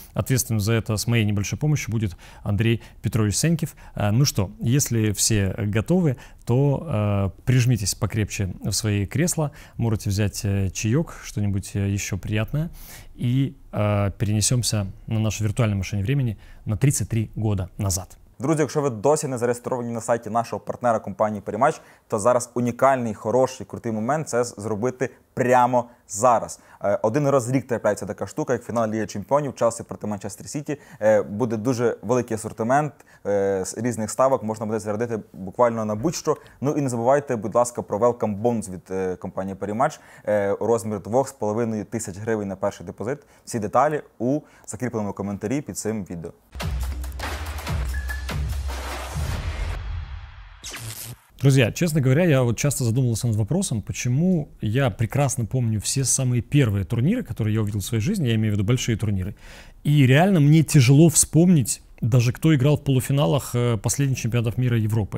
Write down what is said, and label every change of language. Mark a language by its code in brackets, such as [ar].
[ru] Ответственным за это с моей небольшой помощью будет Андрей Петрович Сенькив. Ну что, если все готовы, то прижмитесь покрепче в свои кресла, можете взять чаек, что-нибудь еще приятное, и перенесемся на нашей виртуальной машине времени на 33 года назад. [uk] Друзі, якщо ви досі не зареєстровані на сайті нашого партнера компанії Перемач, то зараз унікальний, хороший, крутий момент це зробити прямо зараз. Один раз в рік трапляється така штука, як фінал Ліги Чемпіонів, Челсі проти Манчестер Сіті. Буде дуже великий асортимент з різних ставок, можна буде зарядити буквально на будь-що. Ну і не забувайте, будь ласка, про welcome bonus від компанії Перемач. Розмір 2,5 тисяч гривень на перший депозит. Всі деталі у закріпленому коментарі під цим відео. [ru] Друзья, честно говоря, я вот часто задумывался над вопросом, почему я прекрасно помню все самые первые турниры, которые я увидел в своей жизни, я имею в виду большие турниры, и реально мне тяжело вспомнить даже кто играл в полуфиналах последних чемпионатов мира Европы.